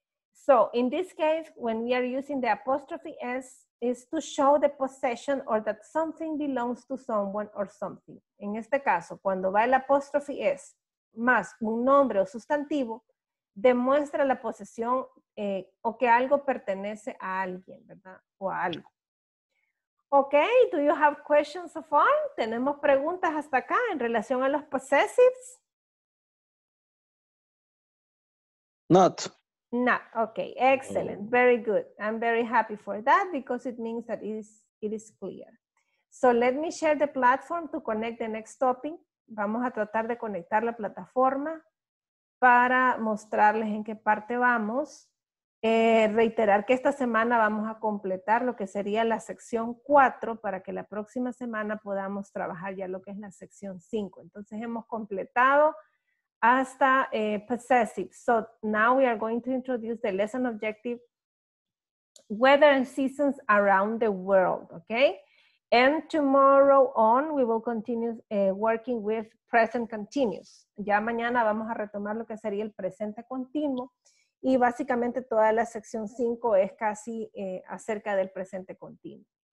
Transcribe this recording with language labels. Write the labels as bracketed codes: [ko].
[en] So, in this case, when we are using the apostrophe S, is to show the possession or that something belongs to someone or something. [es] En este caso, cuando va el apostrophe S más un nombre o sustantivo, demuestra la posesión o que algo pertenece a alguien, ¿verdad? O a algo. [en] Okay, do you have questions so far? [es] ¿Tenemos preguntas hasta acá en relación a los possessives? [en] Not. Not, okay, excellent, very good. I'm very happy for that because it means that it is clear. So let me share the platform to connect the next topic. [es] Vamos a tratar de conectar la plataforma para mostrarles en qué parte vamos. Reiterar que esta semana vamos a completar lo que sería la sección 4 para que la próxima semana podamos trabajar ya lo que es la sección 5. Entonces hemos completado hasta possessive. [en] So now we are going to introduce the lesson objective, weather and seasons around the world, okay? And tomorrow on we will continue working with present continuous. [es] Ya mañana vamos a retomar lo que sería el presente continuo. Y básicamente toda la sección 5 es casi acerca del presente continuo.